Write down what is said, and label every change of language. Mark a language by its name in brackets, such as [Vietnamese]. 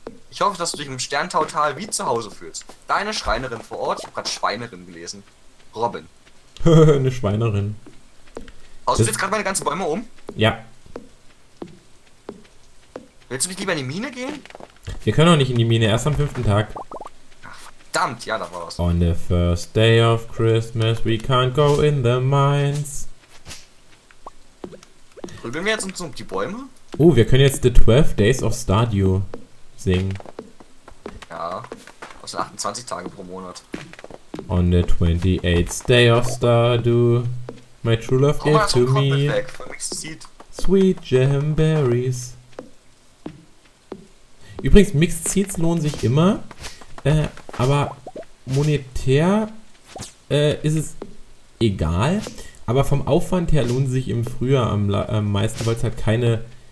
[German] Ich hoffe, dass du dich im Sterntautal wie zu Hause fühlst. Deine Schreinerin vor Ort, ich hab grad Schweinerin gelesen, Robin. Eine Schweinerin. Haust du jetzt gerade meine ganzen Bäume um? Ja. Willst du nicht lieber in die Mine gehen? Wir können doch nicht in die Mine, erst am fünften Tag. Ach, verdammt, ja, da war was. [English] On the first day of Christmas, we can't go in the mines. [German] Prügeln wir jetzt uns um die Bäume? Oh, wir können jetzt The 12 Days of Stardew singen. Ja, aus den 28 Tagen pro Monat. [English] On the 28th day of Stardew, my true love gave to me sweet jamberries. [German] Übrigens, Mixed Seeds lohnen sich immer, aber monetär ist es egal. Aber vom Aufwand her lohnen sich im Frühjahr am meisten, weil es halt keine...